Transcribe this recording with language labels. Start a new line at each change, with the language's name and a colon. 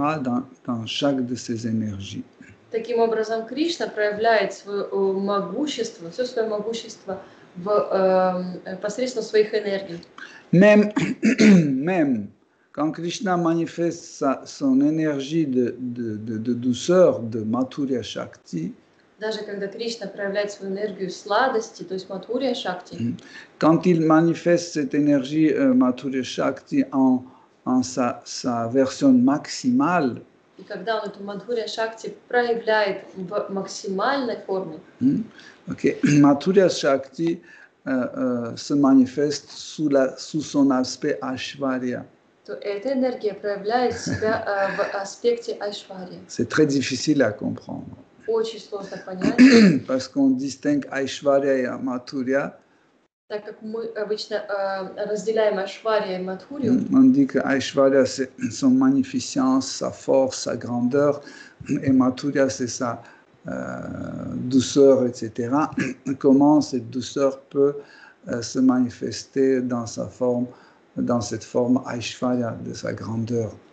French: dans chaque de ses énergies.
Russian: Таким образом, Кришна проявляет свое могущество, все свое могущество в посредством своих энергий.
French: Même quand Krishna manifeste son énergie de douceur, de Mathurya Shakti.
Russian: Даже когда Кришна проявляет свою энергию сладости, то есть Матхурья Шакти.
French: Quand il manifeste cette énergie Mathurya Shakti en sa version maximale.
Russian: И когда он эту Мадхурья Шакти проявляет в максимальной форме. Okay.
French: Мадхурья Шакти se manifeste sous son aspect Айшварья.
Russian: То эта энергия проявляет себя в аспекте Айшварья.
French: C'est très difficile à comprendre.
Russian: Очень сложно понять.
French: Parce qu'on distingue Айшварья и Мадхурья.
Russian: Так как мы обычно разделяем Айшварья и Мадхурью.
French: On dit que Айшварья c'est son magnificence, sa force, sa grandeur, et Мадхурья c'est sa douceur, etc. Comment cette douceur peut se manifester dans sa forme, dans cette forme Айшварья de sa grandeur?